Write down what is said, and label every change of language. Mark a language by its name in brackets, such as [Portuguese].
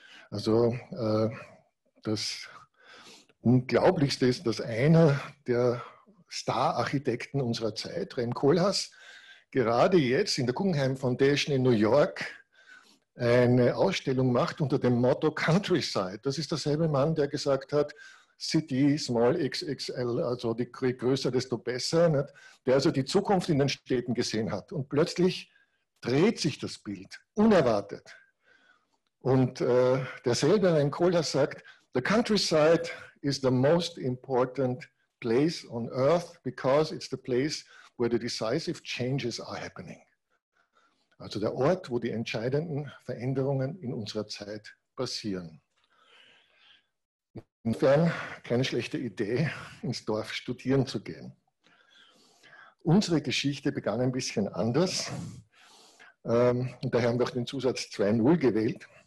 [German] Also das Unglaublichste ist, dass einer der Star-Architekten unserer Zeit, Rem Koolhaas, gerade jetzt in der Guggenheim Foundation in New York eine Ausstellung macht unter dem Motto Countryside. Das ist derselbe Mann, der gesagt hat, City small XXL, also je größer, desto besser, nicht? Der also die Zukunft in den Städten gesehen hat. Und plötzlich dreht sich das Bild, unerwartet. Und derselbe Rem Koolhaas sagt, [English] The countryside is the most important place on earth because it's the place where the decisive changes are happening. [German] Also der Ort, wo die entscheidenden Veränderungen in unserer Zeit passieren. Insofern keine schlechte Idee, ins Dorf studieren zu gehen. Unsere Geschichte begann ein bisschen anders. Und daher haben wir auch den Zusatz 2.0 gewählt.